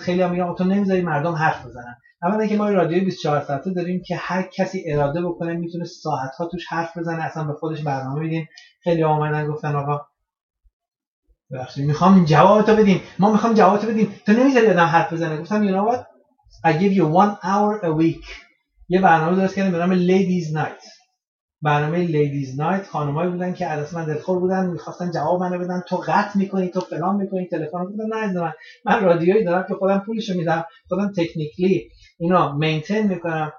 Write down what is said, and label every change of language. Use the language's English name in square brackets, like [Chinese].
[Persian] خیلی هم میگم تو نمیذاری مردم حرف بزنن. اول اینکه ما رادیوی 24 ساعته داریم که هر کسی اراده بکنه میتونه ساعتها توش حرف بزنه، اصلا به خودش برنامه میدیم. خیلی اومدن گفتن آقا بخشی میخوام جوابتو بدیم، ما میخوام جوابتو بدیم، تو نمیذاری آدم حرف بزنه. گفتم [English] you know what I give you 1 hour a week. [Persian] یه برنامه درست کردم به نام Ladies Night. برنامه لیدیز نایت خانمایی بودن که اصلا من دلخور بودن، میخواستن جواب منو بدن، تو قطع میکنی، تو فلان میکنی، تلفن رو بدن. نه من، من رادیویی دارم که خودم پولشو میدم، خودم تکنیکلی اینا مینتین میکنم.